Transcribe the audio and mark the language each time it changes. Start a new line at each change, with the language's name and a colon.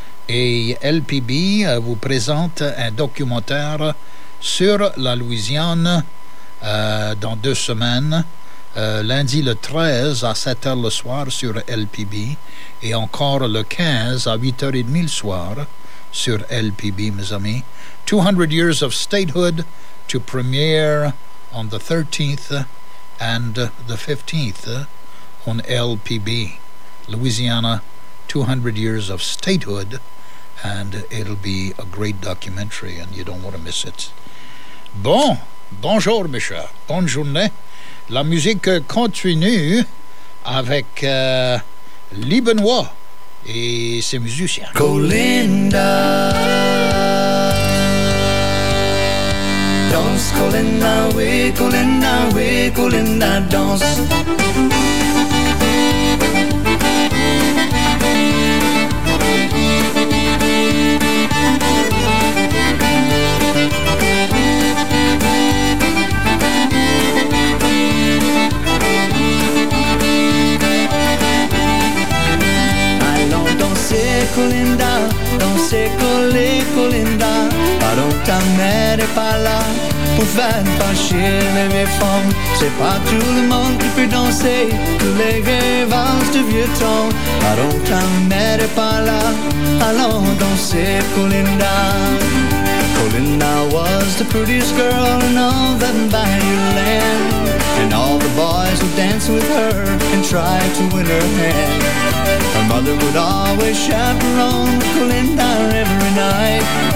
French: Et LPB vous présente un documentaire sur la Louisiane dans 2 semaines. Lundi le 13 à 7h le soir sur LPB. Et encore le 15 à 8h30 le soir sur LPB, mes amis.
English: 200 years of statehood to premiere on the 13th. And the 15th on LPB, Louisiana, 200 years of statehood, and it'll be a great documentary, and you don't want to miss it.
French: Bon, bonjour, Michel, bonne journée. La musique continue avec Lee Benoit et ses musiciens. Colinda, danse Colinda, oui Colinda, oui Colinda, danse. Allons danser Colinda, danser Colinda, pardon ta mère est pas là. Pour faire fâcher les méfants, c'est pas tout le monde qui peut danser tous les vieux valses du vieux temps. Pardon, ta mère est pas là, allons danser Colinda.
English: Colinda was the prettiest girl in all the Bayou land. And all the boys who dance with her can try to win her hand. Her mother would always chaperone Colinda every night.